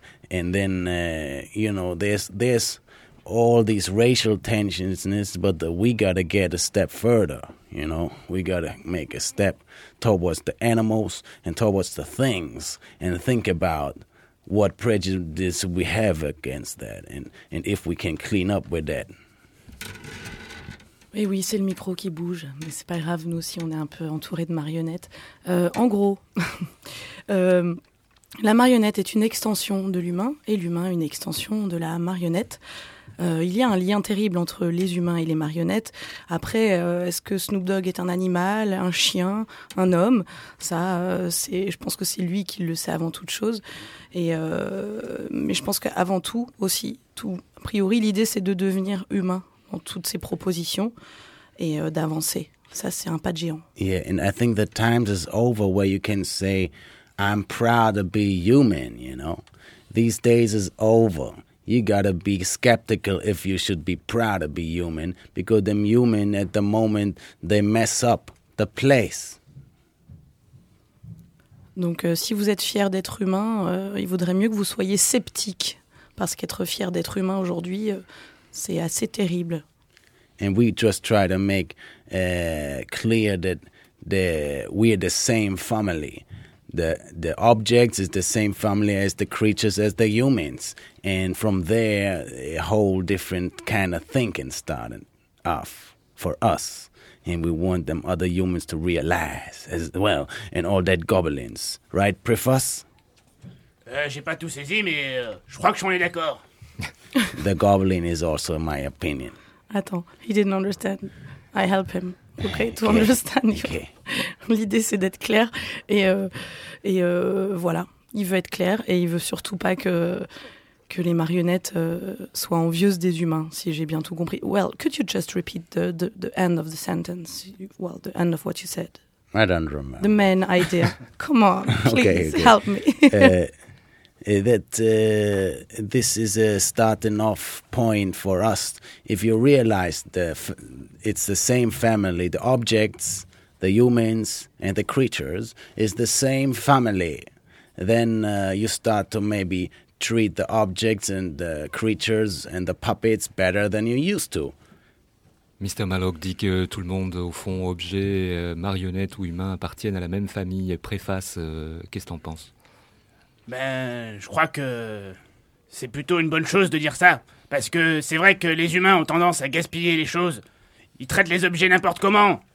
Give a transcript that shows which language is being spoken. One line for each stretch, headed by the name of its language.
English: And then, you know, there's all these racial tensions, but we gotta get a step further, you know? We gotta make a step towards the animals and towards the things and think about what prejudice we have against that and if we can clean up with that.
French: Mais oui, c'est le micro qui bouge, mais c'est pas grave, nous aussi on est un peu entourés de marionnettes. En gros, la marionnette est une extension de l'humain et l'humain une extension de la marionnette. Il y a un lien terrible entre les humains et les marionnettes. Après, est-ce que Snoop Dogg est un animal, un chien, un homme ? Ça, c'est, je pense que c'est lui qui le sait avant toute chose. Et, mais je pense qu'avant tout aussi, tout, a priori, l'idée c'est de devenir humain dans toutes ces propositions et d'avancer. Ça, c'est un pas de géant.
English: Yeah, and I think the time is over where you can say, I'm proud to be human, you know. These days is over. You gotta be skeptical if you should be proud to be human, because them human at the moment, they mess up the place.
French: Donc, si vous êtes fier d'être humain, il vaudrait mieux que vous soyez sceptique, parce qu'être fier d'être humain aujourd'hui, c'est assez terrible.
English: And we just try to make clear that we are the same family. The objects is the same family as the creatures, as the humans. And from there, a whole different kind of thinking started off for us. And we want them other humans to realize as well. And all that goblins. Right, Prefus?
French: J'ai pas tout saisi, mais je crois que j'en ai d'accord.
English: The goblin is also my opinion.
French: Attends,
English: he didn't understand. I help him. Okay, to understand. Okay.
French: L'idée, c'est d'être clair. Et voilà, il veut être clair. Et il veut surtout pas que les marionnettes soient envieuses des humains, si j'ai bien tout compris.
English: Well, could you just repeat the end of the sentence? Well, the end of what you said. I don't remember. The main idea. Come on, please, okay. Help me. That this is a starting off point for us. If you realize it's the same family, the objects, the humans and the creatures is the same family, then you start to maybe treat the objects and the creatures and the puppets better than you used to. Mr.
French: Malok dit que tout le monde, au fond, objet, marionnette ou humain, appartiennent à la même famille. Préface, qu'est-ce que t'en penses? Ben, je crois que c'est plutôt une bonne chose de dire ça. Parce que c'est vrai que les humains ont tendance à gaspiller les choses. Ils traitent les objets n'importe comment.